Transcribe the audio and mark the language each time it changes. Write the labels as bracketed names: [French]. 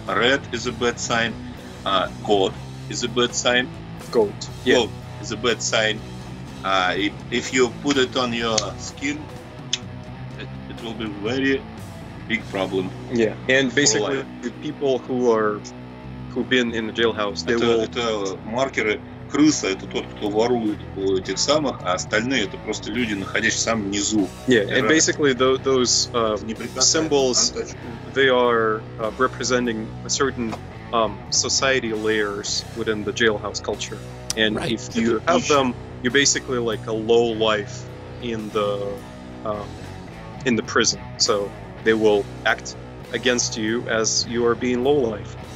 [English] Red is a bad sign. Goat is a bad sign. Goat. Goat, yeah. Is a bad sign. If you put it on your skin, it will be very big problem. Yeah, and basically the people who've been in the jailhouse, they will. [Russian] Это маркеры крыса. Это тот, кто ворует у этих самых, а остальные это просто люди, находящиеся в самом низу. [English] Yeah, and basically those symbols, they are representing a certain society layers within the jailhouse culture. And right. If you have them, you're basically like a low life in the prison, so they will act against you as you are being low life.